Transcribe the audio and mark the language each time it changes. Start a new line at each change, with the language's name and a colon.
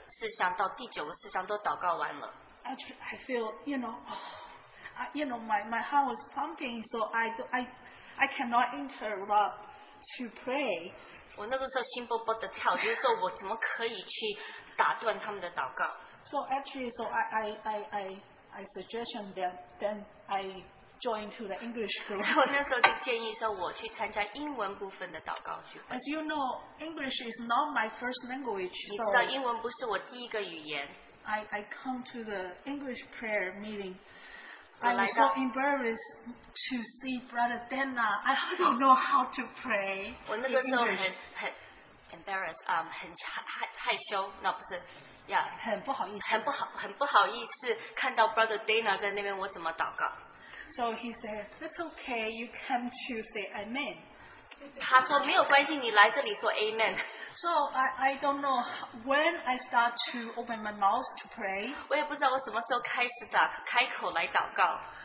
Chinese: 有些弟兄已经从负责弟兄说要什么祷告事项，他有些弟兄已经从第一个事项到第九个事项都祷告完了。
English: Actually, I feel, you know, my heart was pumping, so I cannot interrupt to pray.
Chinese: 我那个时候心勃勃的跳，就是说我怎么可以去打断他们的祷告。
English: So actually, so I suggested that then I joined to the English group.
Chinese: 我那时候就建议说我去参加英文部分的祷告聚会。
English: As you know, English is not my first language.
Chinese: 你知道英文不是我第一个语言。
English: I come to the English prayer meeting. I'm so embarrassed to see Brother Dana. I don't know how to pray.
Chinese: 我那个时候很
English: embarrassed,
Chinese: 很害羞, 那不是。很不好意思看到 Brother Dana 在那边，我怎么祷告？
English: So he said, "It's okay, you come to say Amen."
Chinese: 他说没有关系，你来这里说 Amen.
English: So I don't know when I start to open my mouth to pray.
Chinese: 我也不知道我什么时候开始打开口来祷告。